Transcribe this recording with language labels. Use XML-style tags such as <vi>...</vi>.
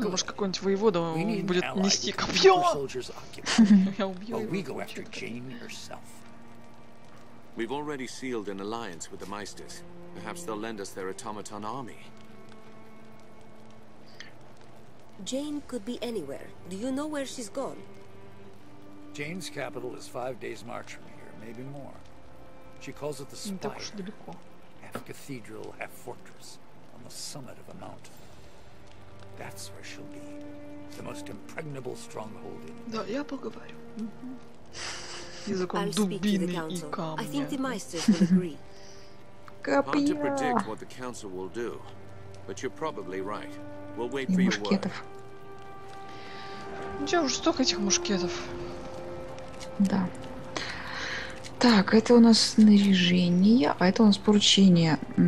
<ru>Ну, может, какой-нибудь воевода будет нести копье? Я убью его.</ru> <en>But we go after Jane herself. We've already sealed an alliance with the Maesters. Perhaps they'll lend us their automaton army. Jane could be anywhere. Do you know where she's gone? Jane's capital is 5 days' march from here, maybe more. She calls it the spire, half cathedral, half fortress, on the summit of a mountain. That's where she'll be, the most impregnable stronghold in.</en> <ru>Да, я поговорю. Языком дубины и камня.</ru> <en>I think the Maesters will agree.</en> <ru>Копья.</ru> <en>Hard to predict what the council will do, but you're probably right. We'll wait for your word.</en> <ru>Мушкетов. Ну чё, уже столько этих мушкетов. Да. Так, это у нас снаряжение, а это у нас поручение.</ru>